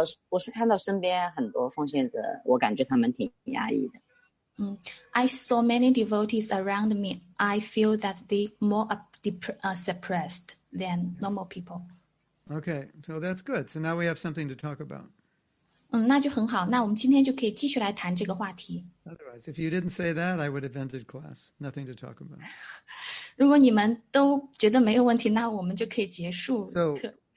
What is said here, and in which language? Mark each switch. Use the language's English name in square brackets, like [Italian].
[Chinese] 我是看到身边很多奉献者，我感觉他们挺压抑的。 [English] I saw many devotees around me. I feel that they more suppressed than normal people. Okay, so that's good. So now we have something to talk about. [Chinese] 那就很好。那我们今天就可以继续来谈这个话题。 [English] Otherwise, if you didn't say that, I would have ended class. Nothing to talk about. [Chinese] 如果你们都觉得没有问题，那我们就可以结束课。